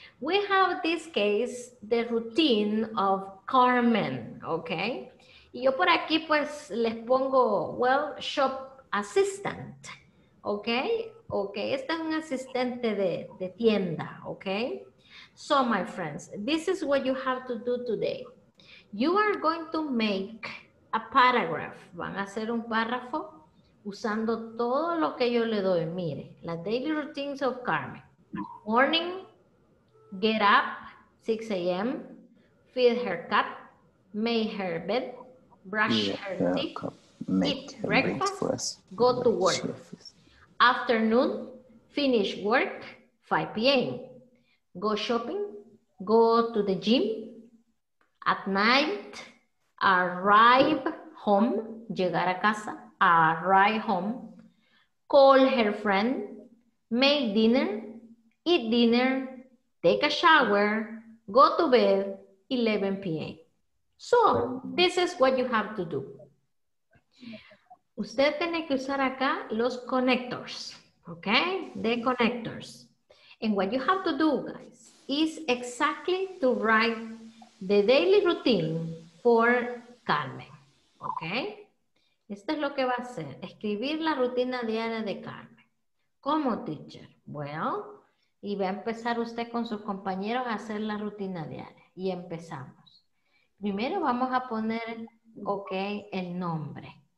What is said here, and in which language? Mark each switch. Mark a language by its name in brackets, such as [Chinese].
[English] We have this case, the routine of Carmen, okay? [Spanish] Y yo por aquí pues les pongo, [English] well, shop assistant, [Spanish] okay? Okay, este es un asistente de tienda, okay? [English] So, my friends, this is what you have to do today. You are going to make a paragraph. [Spanish] Van a hacer un párrafo usando todo lo que yo le doy. Mire, las [English] daily routines of Carmen. Morning, get up, 6 a.m., feed her cat, make her bed, brush her teeth, eat breakfast, go to work. Afternoon, finish work, 5 p.m., go shopping, go to the gym, at night, arrive home, [Spanish] llegar a casa, [English] arrive home, call her friend, make dinner, eat dinner, take a shower, go to bed, 11 p.m. So, this is what you have to do. [Spanish] Usted tiene que usar acá los connectors, okay? [English] The connectors. And what you have to do, guys, is exactly to write the daily routine for Carmen, okay? [Spanish] Esto es lo que va a hacer, escribir la rutina diaria de Carmen. ¿Cómo, teacher? Well, y va a empezar usted con sus compañeros a hacer la rutina diaria. Y empezamos. Primero vamos a poner, okay, el nombre.